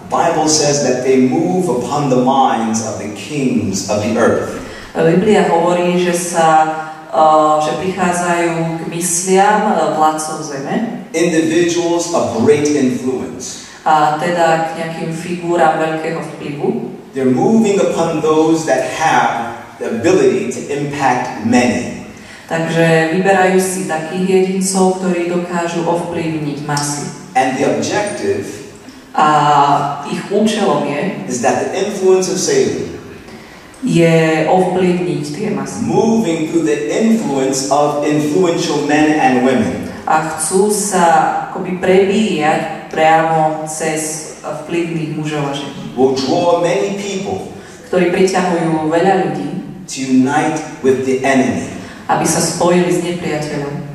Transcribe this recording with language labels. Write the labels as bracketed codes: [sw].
[en] Bible says that they move upon the minds of the kings of the earth. [sk] Biblia hovorí, že sa že prichádzajú k mysliam vládcov zeme. [en] Individuals of great influence. [sk] A teda k nejakým figurám veľkého vplyvu. [en] They're moving upon those that have the ability to impact many. [sk] Takže vyberajú si takých jedincov, ktorí dokážu ovplyvniť masy. [en] And the objective. [sk] A ich účelom je, [en] is that the influence of Satan [sk] je ovplyvniť tie masy. [en] Moving through the influence of influential men and women. [sk] A chcú sa akoby prebíjať priamo cez vplyvných mužov a žen. [en] Will draw many people, [sk] ktorí priťahujú veľa ľudí, [en] to unite with the enemy, [sk] aby sa spojili s nepriateľom,